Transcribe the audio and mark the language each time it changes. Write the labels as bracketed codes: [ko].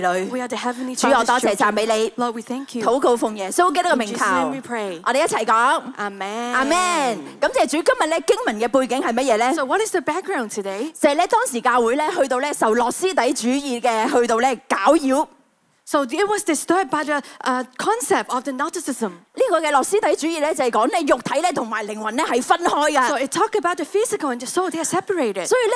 [en] we are the heavenly Father. [zh] 主我多谢, [en] Lord, we thank you. [zh] 祷告奉耶稣基督的名求, [en] we pray. [zh] 我们一起讲, [en] Amen. Amen. [zh] 感谢主今天经文的背景是什么呢? [en] So what is the background today? [zh] 就是当时教会去到受洛斯底主义的去到搅扰。 [en] So it was disturbed by the concept of the Gnosticism. [zh] 这个的洛斯底主义就是说你肉体和灵魂是分开的。 [en] So it talked about the physical and the soul, they are separated.